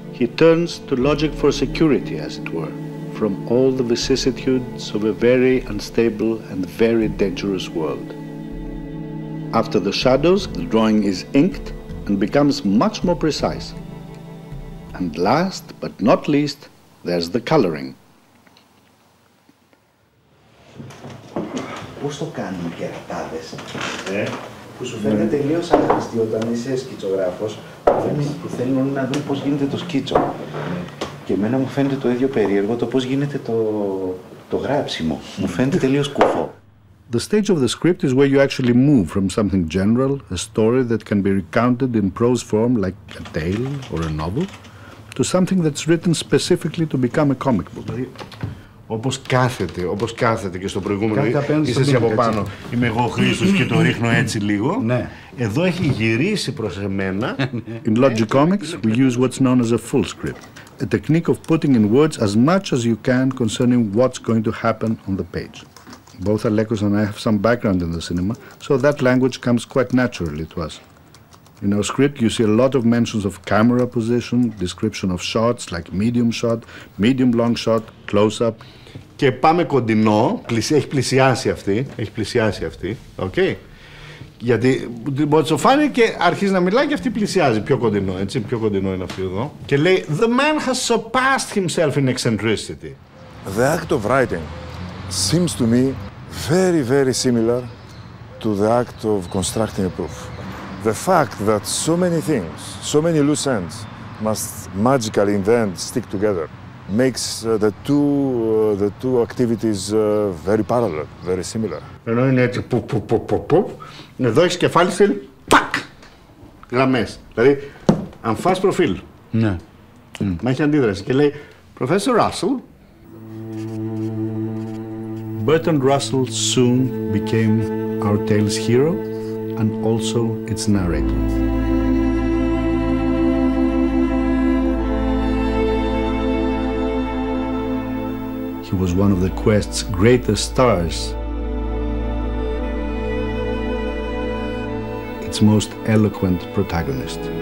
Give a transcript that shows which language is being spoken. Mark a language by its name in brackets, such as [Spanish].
[English] He turns to logic for security, as it were, from all the vicissitudes of a very unstable and very dangerous world. After the shadows, the drawing is inked and becomes much more precise. And last but not least, there's the coloring. [Greek] Πώς το κάνουν οι κερατάδες, που σου φαίνεται τελείως άχρηστοι όταν είσαι σκητσογράφος, που θέλουν να δουν πώς γίνεται το σκίτσο. Και εμένα μου φαίνεται το ίδιο περίεργο το πώς γίνεται το γράψιμο. Μου φαίνεται τελείως κουφό. [English] The stage of the script is where you actually move from something general, a story that can be recounted in prose form like a tale or a novel, to something that's written specifically to become a comic book. [Greek] Όπως κάθεται και στο προηγούμενο, είσαι εσύ από πάνω, είμαι εγώ ο Χρήστος και το ρίχνω έτσι λίγο. Εδώ έχει γυρίσει προς εμένα. [English] In Logicomix, we use what's known as a full script, a technique of putting in words as much as you can concerning what's going to happen on the page. Both Alekos and I have some background in the cinema, so that language comes quite naturally to us. In our script, you see a lot of mentions of camera position, description of shots like medium shot, medium long shot, close up. [Greek] Και πάμε κοντινό, έχει πλησιάσει αυτή, έχει πλησιάσει αυτή, ok. Γιατί μπορεί να σου φάνει και αρχίζει να μιλάει και αυτή πλησιάζει πιο κοντινό, έτσι, πιο κοντινό είναι αυτή εδώ. Και λέει, [English] the man has surpassed himself in eccentricity. The act of writing seems to me very, very similar to the act of constructing a proof. The fact that so many things, so many loose ends, must magically in the end stick together, makes the two activities very parallel, very similar. [Greek] Ενώ είναι έτσι, πουπ, πουπ, πουπ, πουπ, πουπ, εδώ έχεις κεφάλι στην, τακ, γραμμές. Δηλαδή, αν φας προφίλ. Ναι. Μα έχει αντίδραση και λέει, Professor Russell. [English] Bertrand Russell soon became our tale's hero, and also its narrator. He was one of the quest's greatest stars, its most eloquent protagonist.